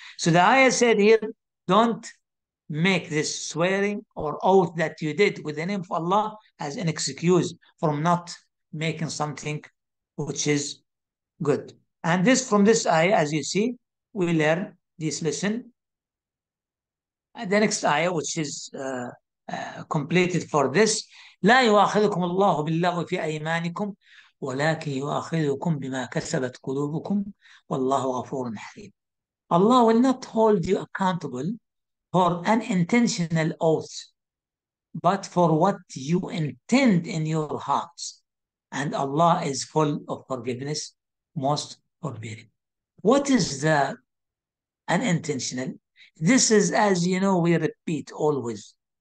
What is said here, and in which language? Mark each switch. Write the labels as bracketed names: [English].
[English] So the ayah said here, don't make this swearing or oath that you did with the name of Allah as an excuse from not making something which is good. And this from this ayah, as you see, we learn this lesson. And the next ayah, which is completed for this, [Arabic] لا يؤاخذكم الله باللغو في أيمانكم ولكن يؤاخذكم بما كسبت قلوبكم والله غفور حليم. [English] Allah will not hold you accountable for an intentional oath, but for what you intend in your hearts. And Allah is full of forgiveness, most forbearing. What is the unintentional? This is, as you know, we repeat always.